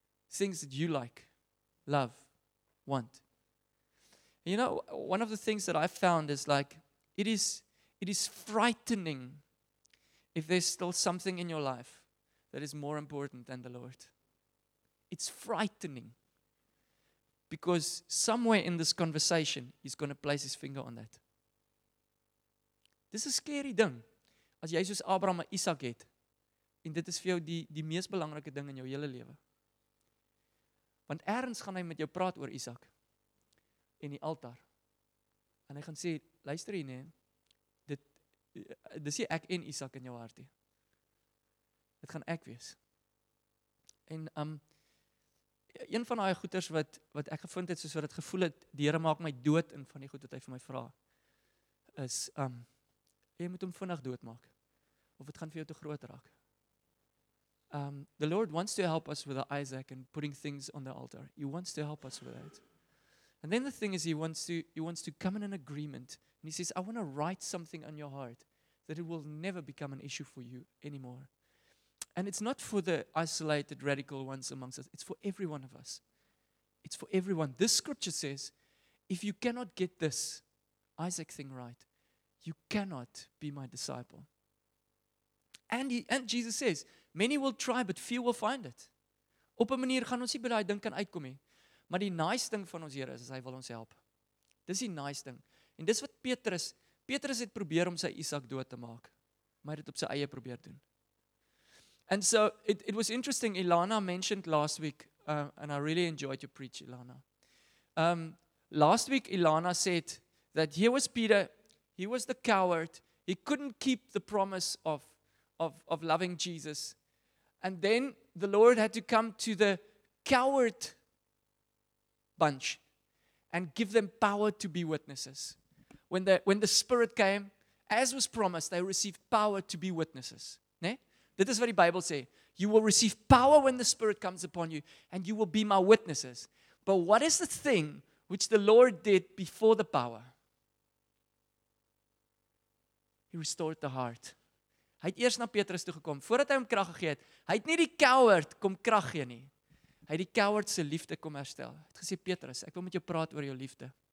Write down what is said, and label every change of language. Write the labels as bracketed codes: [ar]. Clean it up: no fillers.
[en] Things that you like, love, want. And you know, one of the things that I've found is like, it is frightening if there's still something in your life that is more important than the Lord. It's frightening. Because somewhere in this conversation, he's going to place his finger on that. [af] Dis is 'n scary ding. As jy soos Abraham en Isak het, en dit is vir jou die mees belangrike ding in jou hele lewe. Want ergens gaan hy met jou praat oor Isak en die altaar. En hy gaan sê, luister hier nee, dis nie ek en Isak in jou hart nie. Dit gaan ek wees. En een van daai goeters wat ek gevind het, soos wat het gevoel het, die Here maak my dood in van die goed wat hy vir my vra, is jy moet hom vinnig doodmaak. Of het gaan vir jou te groot raak. [en] The Lord wants to help us with Isaac and putting things on the altar. He wants to help us with that. And then the thing is, he wants to come in an agreement. And he says, I want to write something on your heart that it will never become an issue for you anymore. And it's not for the isolated radical ones amongst us. It's for every one of us. It's for everyone. This scripture says, if you cannot get this Isaac thing right, you cannot be my disciple. And Jesus says, many will try, but few will find it. [af] Op 'n manier gaan ons nie by daai ding kan uitkom nie. Maar die nice ding van ons Here is hy wil ons help. Dis die nice ding. En dis wat Petrus het probeer om sy Isak dood te maak. Maar hy het op sy eie probeer doen. [en] And so it was interesting, Ilana mentioned last week, and I really enjoyed your preach, Ilana. Last week, Ilana said that here was Peter, he was the coward, he couldn't keep the promise of loving Jesus. And then the Lord had to come to the coward bunch and give them power to be witnesses. When the Spirit came, as was promised, they received power to be witnesses. Ne? This is what the Bible says. You will receive power when the Spirit comes upon you, and you will be my witnesses. But what is the thing which the Lord did before the power? He restored the heart. [af] Hy het eers na Petrus toe gekom, voordat hy hom krag gegee het. Hy het nie die coward kom krag gee nie. Hy het die coward se liefde kom herstel. Hy het gesê, Petrus, ek wil met jou praat oor jou liefde.